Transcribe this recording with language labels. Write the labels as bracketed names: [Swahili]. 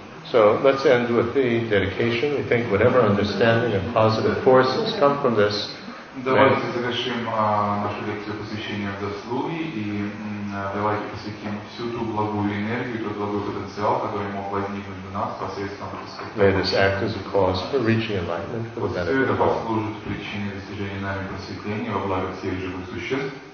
[English] So let's end with the dedication. We think whatever understanding and positive forces come from this. [Russian] Давайте завершим нашу лекцию посвящения заслуги и давайте посвятим всю ту благую энергию, тот благой потенциал, который мог возникнуть у нас посредством [English] May this act as a cause for reaching enlightenment for the benefit. [Russian] Все это послужит причиной достижения нами просветления во благо всех живых существ.